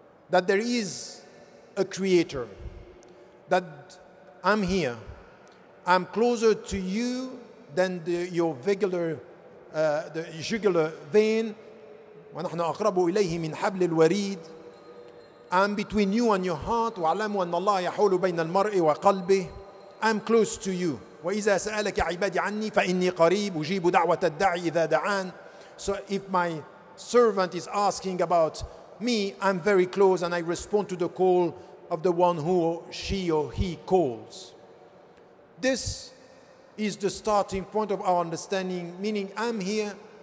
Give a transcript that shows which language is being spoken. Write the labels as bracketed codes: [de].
[en] That there is a creator, that I'm here, I'm closer to you than your regular, the jugular vein. [ar] وَنَحْنَ أَقْرَبُ إِلَيْهِ مِنْ حَبْلِ الْوَرِيدِ, [en] I'm between you and your heart. [ar] وَعْلَمُوا أَنَّ اللَّهَ يَحُولُ بَيْنَ الْمَرْءِ وَقَلْبِهِ, [en] I'm close to you. [ar] وَإِذَا سَأَلَكَ عِبَادِي عَنِّي فَإِنِّي قَرِيبُ أُجِيبُ دَعْوَةَ الدَّاعِ إِذَا دَعَانِ. [en] So if my servant is asking about me, I'm very close and I respond to the call of the one who she or he calls. This is the starting point of our understanding, meaning I'm here.